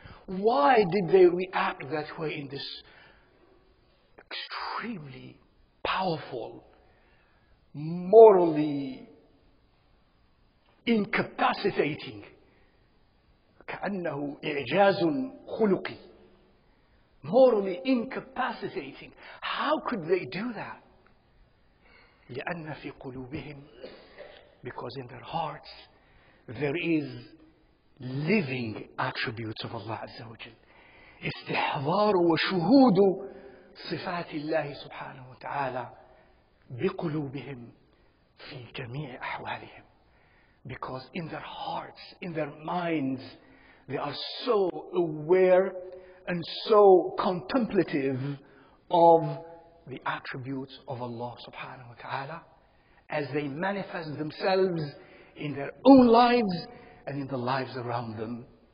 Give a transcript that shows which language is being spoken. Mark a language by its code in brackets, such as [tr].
[en] Why did they react that way in this extremely powerful, morally incapacitating, [ar] كَأَنَّهُ إِعْجَازٌ خُلُقِي, [en] morally incapacitating. How could they do that? [ar] لِأَنَّ فِي قُلُوبِهِمْ, [en] because in their hearts there is living attributes of Allah Azza wa Jal. [ar] استحضار وشهود صفات الله سبحانه وتعالى بقلوبهم في جميع أحوالهم. [en] Because in their hearts, in their minds, they are so aware and so contemplative of the attributes of Allah subhanahu wa ta'ala as they manifest themselves in their own lives and in the lives around them.